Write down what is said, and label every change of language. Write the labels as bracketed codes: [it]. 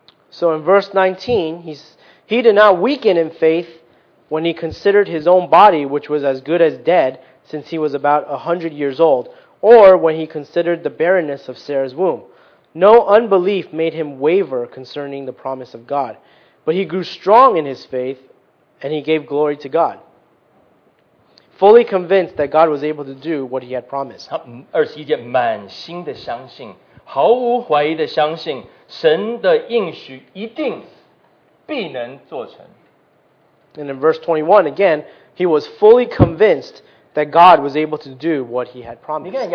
[en] So in verse 19, he did not weaken in faith when he considered his own body, which was as good as dead, since he was about 100 years old, or when he considered the barrenness of Sarah's womb. No unbelief made him waver concerning the promise of God, but he grew strong in his faith, and he gave glory to God, fully convinced that God was able to do what he had promised. [zh] 21节,满心的相信。毫无怀疑地相信神的应许一定必能做成。 [en] And in verse 21 again, he was fully convinced that God was able to do what he had promised.